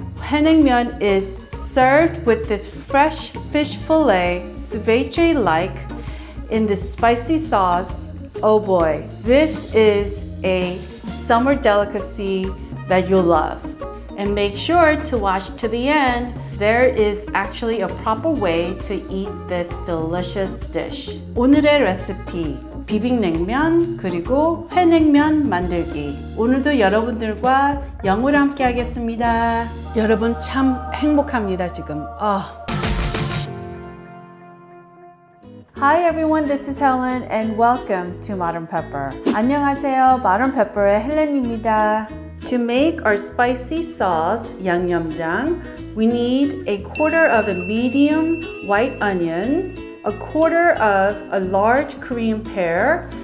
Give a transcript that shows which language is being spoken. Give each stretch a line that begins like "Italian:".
English: Hweh-naengmyeon is served with this fresh fish fillet, ceviche-like, in this spicy sauce. Oh boy, this is a summer delicacy that you'll love. And make sure to watch to the end. There is actually a proper way to eat this delicious dish.
Korean: 오늘의 레시피, 비빔냉면 그리고 회냉면 만들기. 오늘도 여러분들과 영어로 함께 하겠습니다. 여러분 참 행복합니다, 지금.
English: Hi everyone, this is Helen and welcome to Modern Pepper.
Korean: 안녕하세요, Modern Pepper의 헬렌입니다.
English: To make our spicy sauce, 양념장, we need a quarter of a medium white onion, a quarter of a large Korean pear.